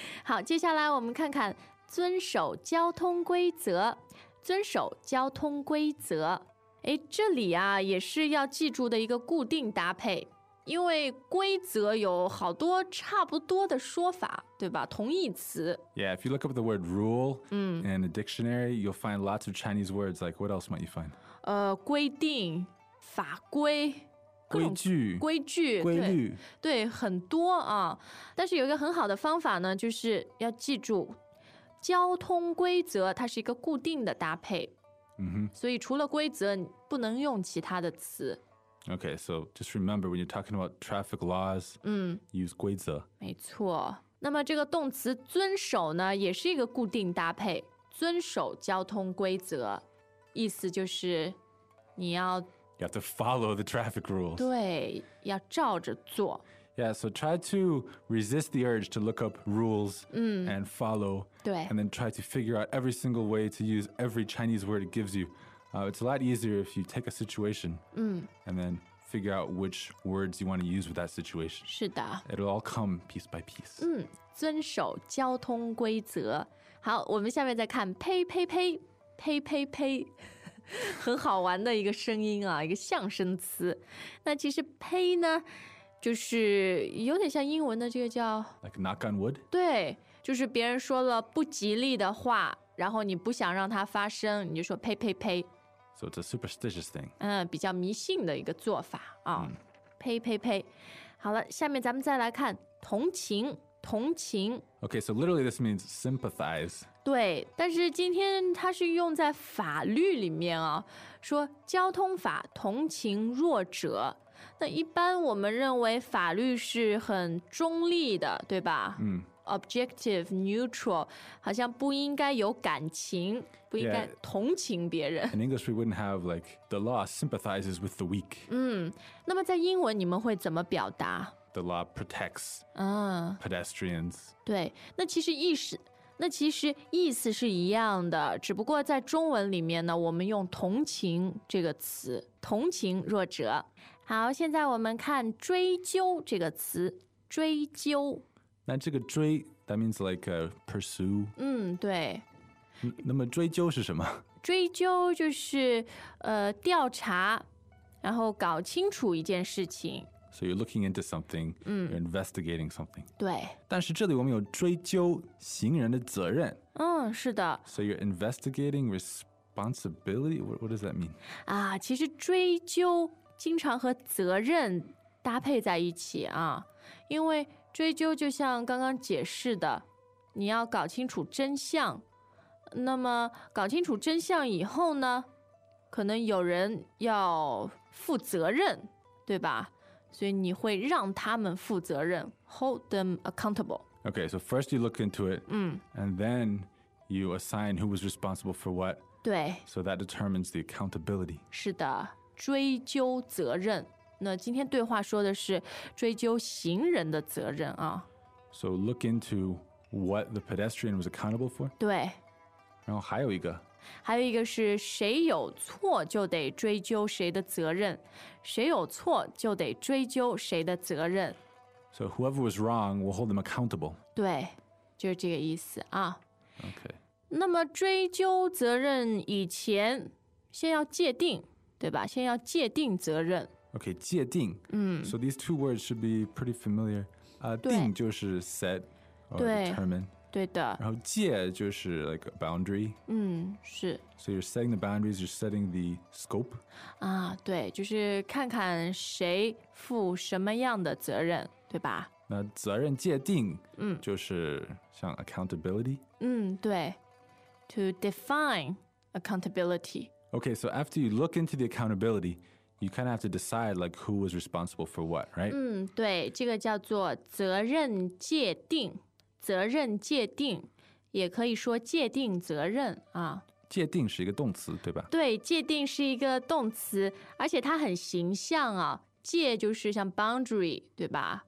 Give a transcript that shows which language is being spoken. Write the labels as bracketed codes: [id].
[zh] 好，接下来我们看看。遵守交通规则，遵守交通规则。哎，这里啊也是要记住的一个固定搭配，因为规则有好多差不多的说法，对吧？同义词。 [en] Yeah, if you look up the word rule in a dictionary, you'll find lots of Chinese words. Like, what else might you find? [zh] 规定、法规、规矩、规矩、规律，对，很多啊。但是有一个很好的方法呢，就是要记住。交通规则它是一个固定的搭配、 mm-hmm. 所以除了规则你不能用其他的词 [en] Okay, so just remember when you're talking about traffic laws、use 规则 [zh] 没错那么这个动词遵守呢也是一个固定搭配遵守交通规则意思就是你要 [en] You have to follow the traffic rules [zh] 对要照着做 [en] Yeah, so try to resist the urge to look up rules、and followAnd then try to figure out every single way to use every Chinese word it gives you.、it's a lot easier if you take a situation、and then figure out which words you want to use with that situation. [zh] 是的。 [en] It'll all come piece by piece.、 [zh] 遵守交通规则。好，我们下面再看呸呸呸，呸呸呸，很好玩的一个声音啊，一个象声词。那其实呸呢，就是有点像英文的这个叫 [en] Like knock on wood? [zh] 对。就是别人说了不吉利的话然后你不想让它发生你就说呸呸呸 [en] So it's a superstitious thing [zh] 比较迷信的一个做法、呸呸呸好了下面咱们再来看同情同情 [en] Okay so literally this means sympathize [zh] 对但是今天它是用在法律里面啊，说交通法同情弱者那一般我们认为法律是很中立的对吧 [en] Objective, neutral, [zh] 好像不应该有感情，不应该同情别人。 [en] In English, we wouldn't have like the law sympathizes with the weak. [zh] 那么在英文你们会怎么表达 [en] ？The law protects pedestrians. [zh] 对，那其实意思，那其实意思是一样的，只不过在中文里面呢，我们用同情这个词，同情弱者。好，现在我们看追究这个词，追究。那这个追 [en] that means like pursue [zh] 对那么追究是什么追究就是调查然后搞清楚一件事情 [en] so you're looking into something you're investigating something [zh] 对但是这里我们有追究行人的责任是的 [en] so you're investigating responsibility what does that mean [zh] 啊，其实追究经常和责任搭配在一起啊，因为追究就像刚刚解释的你要搞清楚真相那么搞清楚真相以后呢可能有人要负责任对吧所以你会让他们负责任 [en] hold them accountable Okay, so first you look into it and then you assign who was responsible for what [zh] 对 [en] so that determines the accountability [zh] 是的追究责任那今天对话说的是追究行人的责任啊。 [en] So look into what the pedestrian was accountable for. [zh] 对。然后还有一个。还有一个是谁有错就得追究谁的责任。谁有错就得追究谁的责任。 [en] So whoever was wrong, we'll hold them accountable. [zh] 对。就是这个意思啊。 [en] Okay. [zh] 那么追究责任以前先要界定对吧先要界定责任。 [en] Okay, 界定。 So these two words should be pretty familiar. [zh] 定就是 [en] set or [zh] 对 [en] determine. [zh] 对的。然后界就是 [en] like a boundary. [zh] 是。 [en] So you're setting the boundaries, you're setting the scope. [zh] 啊，对，就是看看谁负什么样的责任，对吧？那责任界定就是像 accountability 对 [en] to define accountability okay so after you look into the accountability you kind of have to decide like who was responsible for what right [zh] 对这个叫做责任界定责任界定也可以说界定责任啊界定是一个动词对吧对界定是一个动词而且它很形象啊界就是像 boundary 对吧、